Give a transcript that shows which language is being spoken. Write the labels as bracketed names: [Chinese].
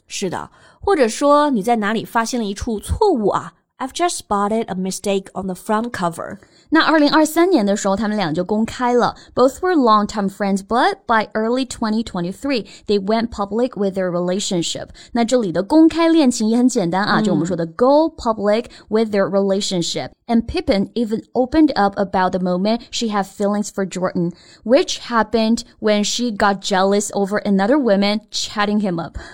[Chinese] 是的，或者说你在哪里发现了一处错误啊。 [English] I've just spotted a mistake on the front cover. [Chinese] 那2023年的时候他们俩就公开了。 [English] Both were long-time friends, but by early 2023, they went public with their relationship. [Chinese] 那这里的公开恋情也很简单啊、嗯、就我们说的 [English] go public with their relationship. And Pippen even opened up about the moment she had feelings for Jordan, which happened when she got jealous over another woman chatting him up.